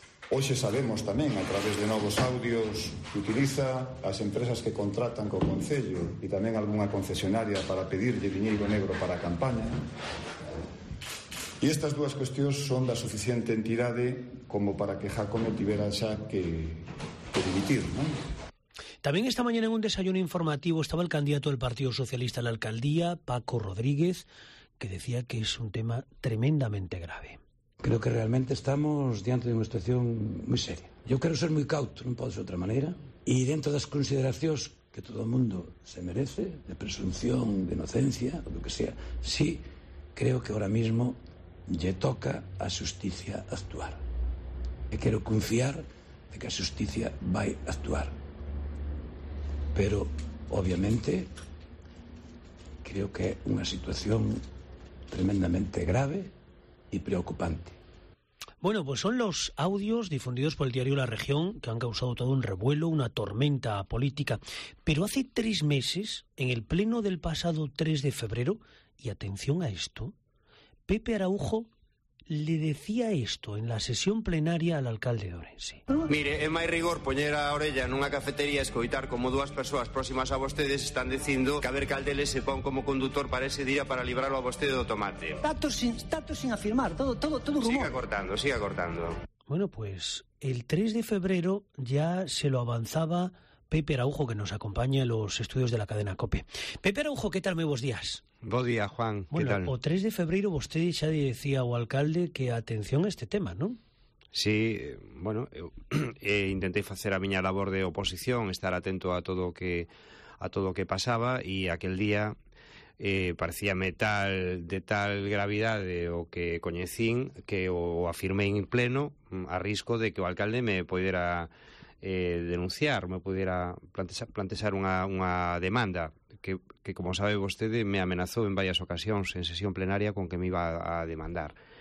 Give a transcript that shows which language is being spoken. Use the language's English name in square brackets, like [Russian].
[Galician] Hoxe sabemos tamén, a través de novos audios que utiliza, as empresas que contratan co concello e tamén algunha concesionaria para pedirlle viñeiro negro para a campaña. E estas dúas cuestións son da suficiente entidade como para que Jácome tivera xa que dimitir, non? [Spanish] También esta mañana en un desayuno informativo estaba el candidato del Partido Socialista a la alcaldía, Paco Rodríguez, que decía que es un tema tremendamente grave. Creo que realmente estamos diante de una situación muy seria. Yo quiero ser muy cauto, no puedo ser de otra manera. Y dentro de las consideraciones que todo el mundo se merece, de presunción, de inocencia, o lo que sea, sí, creo que ahora mismo ya toca a justicia actuar. Y quiero confiar de que a justicia va a actuar. [Galician] Pero, obviamente, creo que é unha situación tremendamente grave e preocupante. [Spanish] Bueno, pues son los audios difundidos por el diario La Región que han causado todo un revuelo, una tormenta política. Pero hace tres meses, en el pleno del pasado 3 de febrero, y atención a esto, Pepe Araújo le decía esto en la sesión plenaria al alcalde de Ourense. [Galician] Mire, é máis rigor poñer a orella nunha cafetería e escoitar como dúas persoas próximas a vostedes están dicindo que a ver cal deles se pon como conductor para ese día para librarlo a vostede do tomate. [Spanish] Datos sin afirmar, todo rumor. Siga cortando. Bueno, pues el 3 de febrero ya se lo avanzaba Pepe Araujo, que nos acompaña en los estudios de la cadena COPE. Pepe Araujo, ¿qué tal? Muy buenos días. Buen día, Juan. Bueno, ¿qué tal? O 3 de febrero, usted ya decía al alcalde que atención a este tema, ¿no? [Galician] Sí, bueno, intenté hacer a miña labor de oposición, estar atento a todo que pasaba, y aquel día parecíame tal de tal gravidade o que coñecín que o afirmei en pleno a risco de que o alcalde me pudiera denunciar, me pudiera plantexar unha demanda que como sabe vostede, me amenazou en varias ocasións en sesión plenaria con que me iba a demandar.